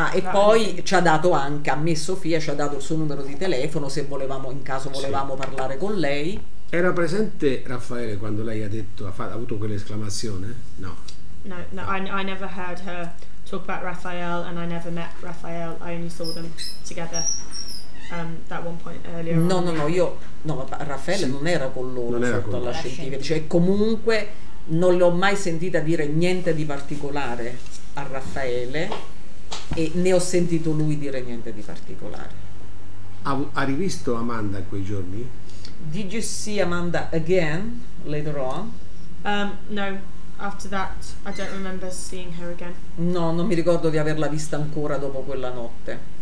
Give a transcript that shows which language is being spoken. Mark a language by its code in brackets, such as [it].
[it] E poi ci ha dato anche a me, Sofia, ci ha dato il suo numero di telefono se volevamo, in caso volevamo parlare con lei. Era presente Raffaele quando lei ha detto, ha avuto quell'esclamazione? No. [en] No, I never heard her talk about Raphael, and I never met Raphael. I only saw them together that one point earlier. [it] Raffaele non era con loro, non era sotto con la scientifica. Cioè, comunque non le ho mai sentita dire niente di particolare a Raffaele, e né ho sentito lui dire niente di particolare. Ha rivisto Amanda quei giorni? [en] Did you see Amanda again later on? No, after that I don't remember seeing her again. [it] No, non mi ricordo di averla vista ancora dopo quella notte.